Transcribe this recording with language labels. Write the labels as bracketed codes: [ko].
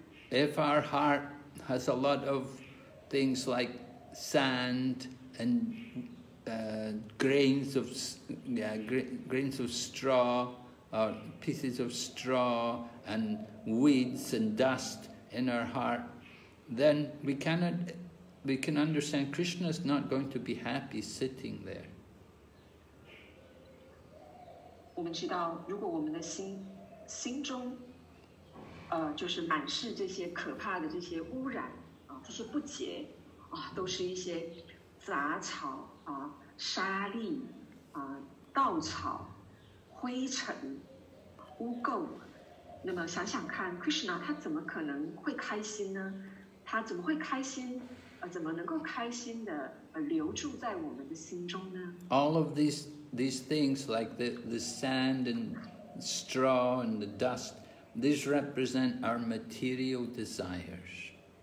[en] If our heart has a lot of things like sand and grains of straw,pieces of straw and weeds and dust in our heart, then we can understand Krishna is not going to be happy sitting there. [zh] 我们知道，如果我们的心中，就是满是这些可怕的这些污染，就是不洁，都是一些杂草啊、沙粒啊、稻草、灰尘。污垢，那么想想看 ，Krishna 他怎么可能会开心呢？他怎么会开心？怎么能够开心的留住在我们的心中呢 [en] ？All of these things like the sand and straw and the dust, these represent our material desires.